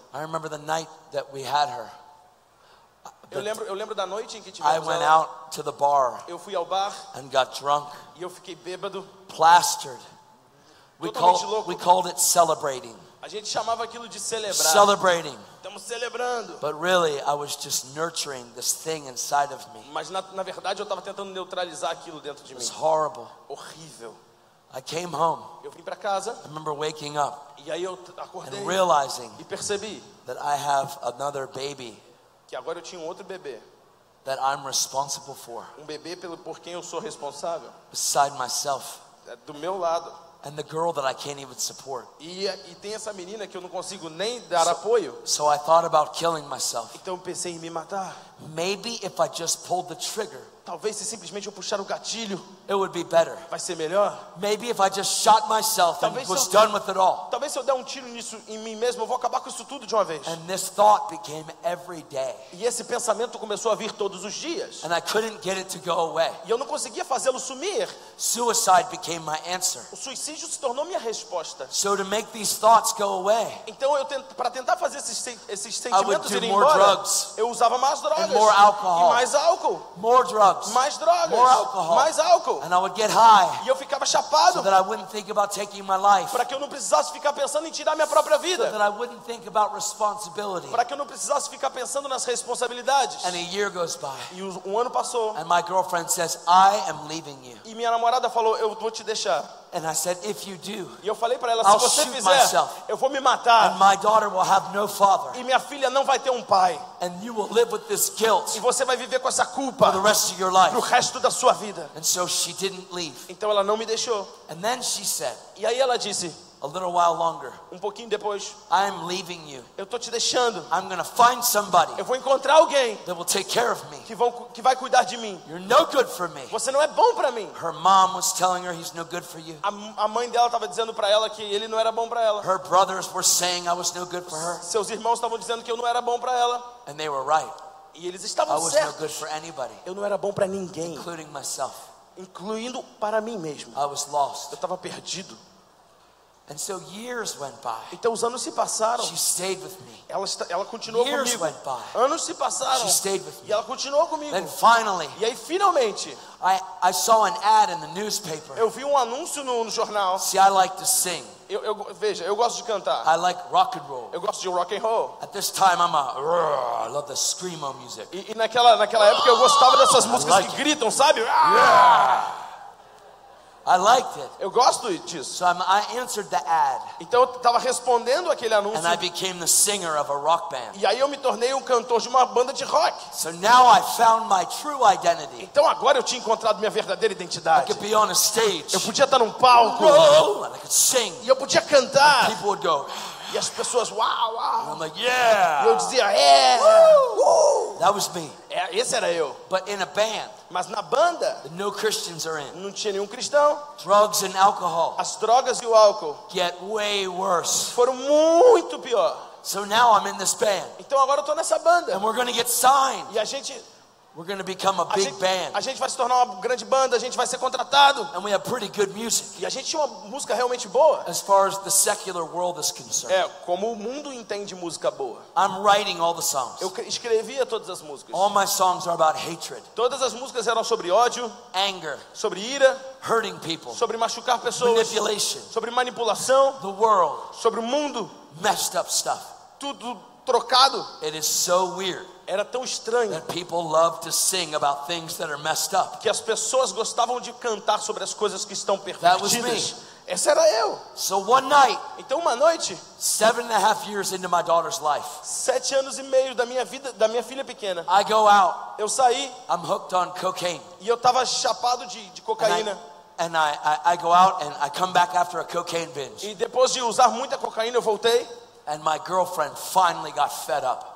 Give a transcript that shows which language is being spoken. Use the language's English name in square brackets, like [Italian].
[English] I remember the night that we had her. [Portuguese] Eu lembro da noite em que tivemos ela. [English] I went out to the bar. [Portuguese] Eu fui ao bar. [English] And got drunk. [Portuguese] E eu fiquei bêbado. [English] Plastered. We called it celebrating. [Portuguese] A gente chamava aquilo de celebrar. [English] Celebrating. [Portuguese] Estamos celebrando. [English] But really, I was just nurturing this thing inside of me. [Portuguese] Mas na verdade eu estava tentando neutralizar aquilo dentro de mim. [English] It was horrible. [Portuguese] Horrível. [English] I came home. [Portuguese] Eu vim para casa. [English] I remember waking up. [Portuguese] E aí eu acordei. [English] And realizing. [Portuguese] E percebi. [English] That I have another baby. [Portuguese] Que agora eu tinha um outro bebê. [English] That I'm responsible for. [Portuguese] Um bebê por quem eu sou responsável. [English] Beside myself. [Portuguese] Do meu lado. [English] And the girl that I can't even support. [Portuguese] E tem essa menina que eu não consigo nem dar apoio. [English] So I thought about killing myself. [Portuguese] Então eu pensei em me matar. [English] Maybe if I just pulled the trigger. [Portuguese] Talvez se simplesmente eu puxar o gatilho. [English] It would be better. [Portuguese] Vai ser melhor. [English] Maybe if I just shot myself [Portuguese] talvez [English] and was done with it all. [Portuguese] Talvez se eu der um tiro nisso em mim mesmo, eu vou acabar com isso tudo de uma vez. [English] And this thought became every day. [Portuguese] E esse pensamento começou a vir todos os dias. [English] And I couldn't get it to go away. [Portuguese] E eu não conseguia fazê-lo sumir. [English] Suicide became my answer. [Portuguese] O suicídio se tornou minha resposta. [English] So to make these thoughts go away. [Portuguese] Então eu para tentar fazer esses sentimentos [English] I would do [Portuguese] irem [English] more [Portuguese] embora. [English] Drugs [Portuguese] eu usava mais drogas. [English] And more alcohol. [Portuguese] E mais álcool. [English] More drugs. [Portuguese] Mais drogas, [English] more alcohol, [Portuguese] mais álcool, [English] and I would get high, [Portuguese] e eu ficava chapado, [English] so that I wouldn't think about taking my life, [Portuguese] para que eu não precisasse ficar pensando em tirar minha própria vida, [English] so that I wouldn't think about responsibility, [Portuguese] para que eu não precisasse ficar pensando nas responsabilidades. [English] And a year goes by, [Portuguese] e um ano passou, [English] and my girlfriend says, I am leaving you, [Portuguese] e minha namorada falou, eu vou te deixar. [English] And I said, if you do, [Portuguese] e eu falei para ela, [English] I'll [Portuguese] se você [English] shoot [Portuguese] fizer, [English] myself, [Portuguese] eu vou me matar, [English] and my daughter will have no father, [Portuguese] e minha filha não vai ter pai, [English] and you will live with this guilt, [Portuguese] e você vai viver com essa culpa, [English] for the rest of your life, [Portuguese] pro resto da sua vida. [English] And so she didn't leave. [Portuguese] Então ela não me deixou. [English] And then she said, [Portuguese] e aí ela disse, [English] a little while longer, [Portuguese] pouquinho depois, [English] I'm leaving you, [Portuguese] eu tô te deixando, [English] I'm gonna find somebody, [Portuguese] eu vou encontrar alguém, [English] that will take care of me, [Portuguese] que vai cuidar de mim. [English] You're no good for me. [Portuguese] Você não é bom para mim. [English] Her mom was telling her he's no good for you. [Portuguese] A mãe dela tava dizendo para ela que ele não era bom para ela. [English] Her brothers were saying I was no good for her. [Portuguese] Seus irmãos estavam dizendo que eu não era bom para ela. [English] And they were right. [Portuguese] E eles estavam [English] I was [Portuguese] certos. [English] No good for anybody, [Portuguese] eu não era bom para ninguém. [English] Including myself. [Portuguese] Incluindo para mim mesmo. [English] I was lost. [Portuguese] Eu estava perdido. [English] And so years went by. [Portuguese] Então os anos se passaram. [English] She stayed with me. [Portuguese] Ela continuou [English] years [Portuguese] comigo. [English] Went by. [Portuguese] Anos se passaram. [English] She stayed with me. [Portuguese] E ela continuou comigo. [English] And finally, [Portuguese] e aí finalmente. [English] I saw an ad in the newspaper. [Portuguese] Eu vi anúncio no jornal. [English] See, I like to sing. [Portuguese] Veja, eu gosto de cantar. [English] I like rock and roll. [Portuguese] Eu gosto de rock and roll. [English] At this time, I love the screamo music. [Portuguese] E naquela época eu gostava dessas músicas [English] like [Portuguese] que [English] it. [Portuguese] Gritam, sabe? [English] I liked it. [Portuguese] Eu gosto disso. [English] So I answered the ad. [Portuguese] Então eu estava respondendo aquele anúncio. [English] And I became the singer of a rock band. [Portuguese] E aí eu me tornei cantor de uma banda de rock. [English] So now I found my true identity. [Portuguese] Então agora eu tinha encontrado minha verdadeira identidade. [English] I could be on a stage. [Portuguese] Eu podia estar num palco. [English] Roll, I could sing. [Portuguese] E eu podia cantar. [English] And people would go. [Portuguese] E as pessoas, wow, wow. [English] And I'm like, yeah. [Portuguese] E eu dizia, yeah. [English] Woo, woo. That was me. [Portuguese] Esse era eu. [English] But in a band. [Portuguese] Mas na banda, [English] no Christians are in. [Portuguese] Não tinha nenhum cristão. [English] Drugs and alcohol. [Portuguese] As drogas e o álcool. [English] Get way worse. [Portuguese] Foram muito pior. [English] So now I'm in this band. [Portuguese] Então agora eu tô nessa banda. [English] And we're gonna get signed. [Portuguese] E a gente [English] We're going to become a big band. [Portuguese] A gente vai se tornar uma grande banda, a gente vai ser contratado. [English] And we have pretty good music. [Portuguese] E a gente tinha uma música realmente boa. [English] As far as the secular world is concerned. [Portuguese] É, como o mundo entende música boa. [English] I'm writing all the songs. [Portuguese] Eu escrevia todas as músicas. [English] All my songs are about hatred. [Portuguese] Todas as músicas eram sobre ódio, [English] anger, [Portuguese] sobre ira, [English] hurting people, [Portuguese] sobre machucar pessoas, [English] manipulation, [Portuguese] sobre manipulação, [English] the world, [Portuguese] sobre o mundo, [English] messed up stuff. [Portuguese] Tudo trocado. [English] It is so weird. [Portuguese] Era tão estranho. [English] That people love to sing about things that are messed up. [Portuguese] Que as pessoas gostavam de cantar sobre as coisas que estão pervertidas. Essa era eu. [English] So one night, [Portuguese] então uma noite, [English] 7.5 years into my daughter's life, [Portuguese] 7 anos e meio da minha vida, da minha filha pequena, [English] I go out. [Portuguese] Eu saí. [English] I'm hooked on cocaine. [Portuguese] E eu estava chapado de cocaína. [English] And I go out and I come back after a cocaine binge. [Portuguese] E depois de usar muita cocaína eu voltei. [English] And my girlfriend finally got fed up.